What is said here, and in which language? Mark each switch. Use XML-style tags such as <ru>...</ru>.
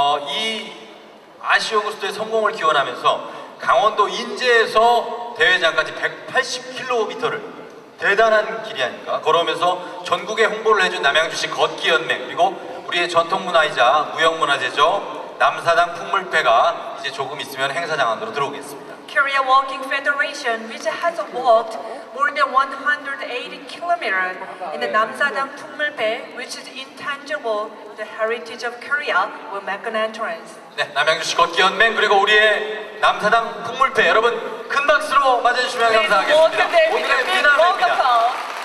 <ko>이 아시아 고스토의 성공을 기원하면서 강원도 인제에서 대회장까지 180km를 대단한 길이 아닙니까? 걸어오면서 전국에 홍보를 해준 남양주시 걷기연맹 그리고 우리의 전통문화이자 무형문화재죠. 남사당 풍물패가 이제 조금 있으면 행사장 안으로 들어오겠습니다.</ko> <en>Korea Walking Federation, which has walked more than 180 kilometers in the Namsadang Pungmulpae, which is intangible, the heritage of Korea, will make an entrance.</en> <ko>네, 남양주시 걷기연맹 그리고 우리의 남사당 풍물패 여러분 큰 박수로 맞아주시면 감사하겠습니다. 오늘의 피날레입니다.</ko>